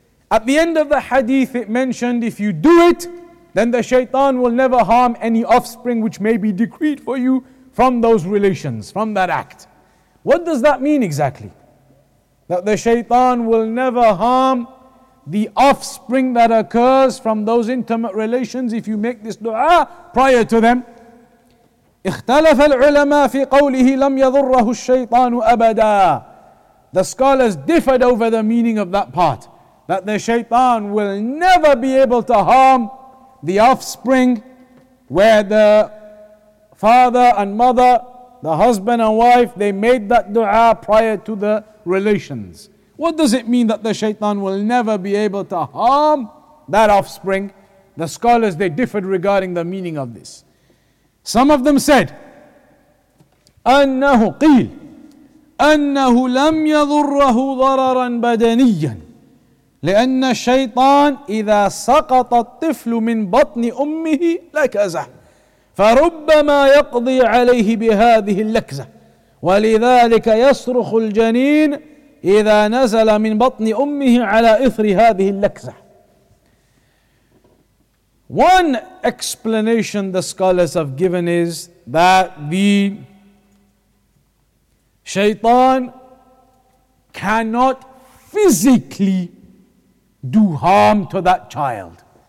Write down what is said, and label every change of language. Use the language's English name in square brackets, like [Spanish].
[English] At the end of the hadith, it mentioned if you do it, then the shaitan will never harm any offspring which may be decreed for you from those relations, from that act. What does that mean exactly? That the shaitan will never harm the offspring that occurs from those intimate relations if you make this dua prior to them. [Arabic] اختلف العلماء في قوله لم يضره الشيطان أبدا. [English] The scholars differed over the meaning of that part, that the shaitan will never be able to harm the offspring where the father and mother, the husband and wife, they made that dua prior to the relations. What does it mean that the shaitan will never be able to harm that offspring? The scholars, they differed regarding the meaning of this. Some of them said, [Arabic] أَنَّهُ قِيلْ أَنَّهُ لَمْ يَضُرَّهُ ضَرَرًا بَدَنِيًّا لِأَنَّ الشَّيْطَانِ إِذَا سَقَطَ الطِّفْلُ مِنْ بَطْنِ أُمِّهِ لَكَزَهُ فَرُبَّمَا يَقْضِي عَلَيْهِ بِهَذِهِ اللَّكْزَةِ وَلِذَلِكَ يَصْرُخُ الْجَنِينَ إِذَا نَزَلَ مِنْ بَطْنِ أُمِّهِ عَلَى إِثْرِ هَذِهِ اللَّكْزَةِ. [English] One explanation the scholars have given is that the shaitan cannot physically do harm to that child.